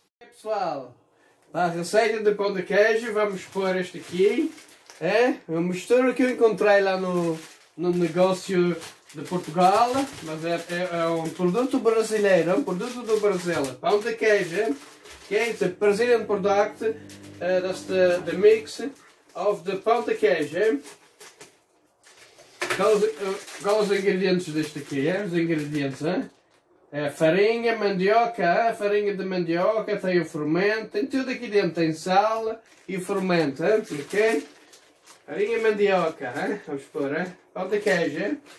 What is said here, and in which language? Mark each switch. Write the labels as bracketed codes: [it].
[pt] Okay, pessoal, na receita de pão de queijo, vamos pôr este aqui. É uma mistura que eu encontrei lá no negócio de Portugal. Mas é um produto brasileiro, é um produto do Brasil. Pão de queijo, okay? [en] It's a Brazilian product, that's the mix of the pão de queijo. [pt] Qual os ingredientes deste aqui? Os ingredientes, é farinha, mandioca, farinha de mandioca, tem o fermento, tem tudo aqui dentro, tem sal e fermento, ok? Farinha e mandioca, vamos pôr, pão de queijo.